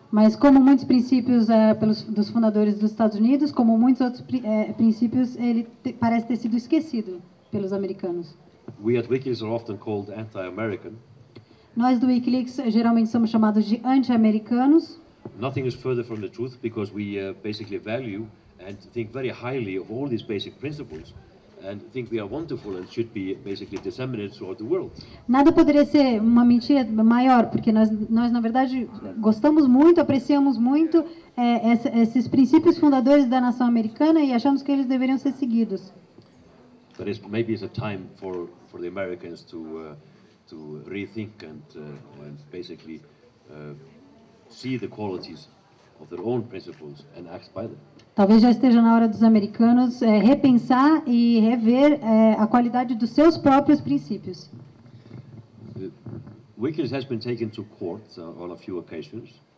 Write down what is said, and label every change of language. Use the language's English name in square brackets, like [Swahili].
[Portuguese] Mas como muitos princípios dos fundadores dos Estados Unidos, como muitos outros princípios, ele parece ter sido esquecido. Pelos americanos. [English] We at WikiLeaks are often called anti-American. [Portuguese] Nós do WikiLeaks geralmente somos chamados de anti-americanos. [English] Nothing is further from the truth because we basically value and think very highly of all these basic principles and think they are wonderful and should be basically disseminated throughout the world. [Portuguese] Nada poderia ser uma mentira maior porque nós na verdade gostamos muito, apreciamos muito esses princípios fundadores da nação americana e achamos que eles deveriam ser seguidos. [English] But maybe it's a time for the Americans to rethink and basically see the qualities of their own principles and act by them. [Portuguese] Talvez já esteja na hora dos americanos repensar e rever a qualidade dos seus próprios princípios. [English] WikiLeaks has been taken to court on a few occasions.